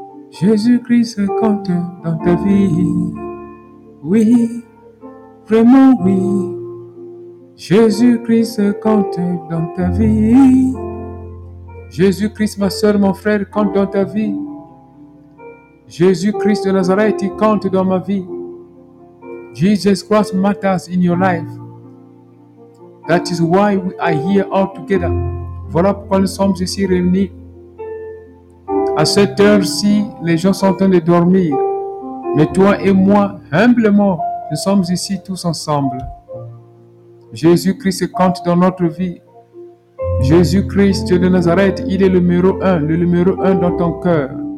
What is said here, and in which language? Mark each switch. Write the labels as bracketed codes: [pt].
[fr] Jésus-Christ compte dans ta vie. Oui, vraiment oui. Jésus-Christ compte dans ta vie. Jésus-Christ, ma soeur, mon frère, compte dans ta vie. Jésus-Christ de Nazareth, il compte dans ma vie. [en] Jesus Christ matters in your life. That is why we are here all together. [fr] Voilà pourquoi nous sommes ici réunis. À cette heure-ci, les gens sont en train de dormir. Mais toi et moi, humblement, nous sommes ici tous ensemble. Jésus-Christ compte dans notre vie. Jésus-Christ de Nazareth, il est le numéro un dans ton cœur.